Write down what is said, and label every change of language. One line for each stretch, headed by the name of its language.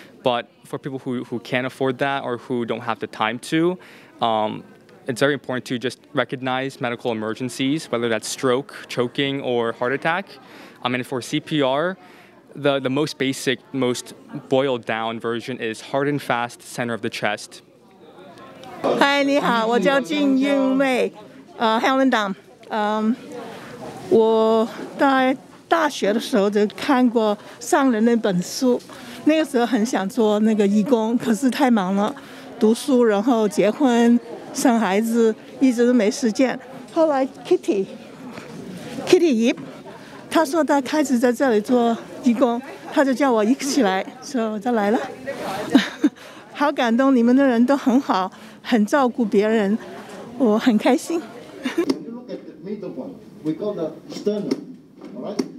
English: But for people who can't afford that or who don't have the time to, it's very important to just recognize medical emergencies, whether that's stroke, choking, or heart attack. I mean, for CPR, the most basic, most boiled down version is hard and fast, center of the chest.
Chinese: Hi, 你好，我叫金英妹。 Helen Dam， 我在大学的时候就看过上人那本书，那个时候很想做那个义工，可是太忙了，读书，然后结婚，生孩子，一直都没时间。后来 Kitty 姨，她说她开始在这里做义工，她就叫我一起来，所以我就来了。好感动，你们的人都很好，很照顾别人。我很开心。
English: If you look at the middle one, we call the sternum, all right?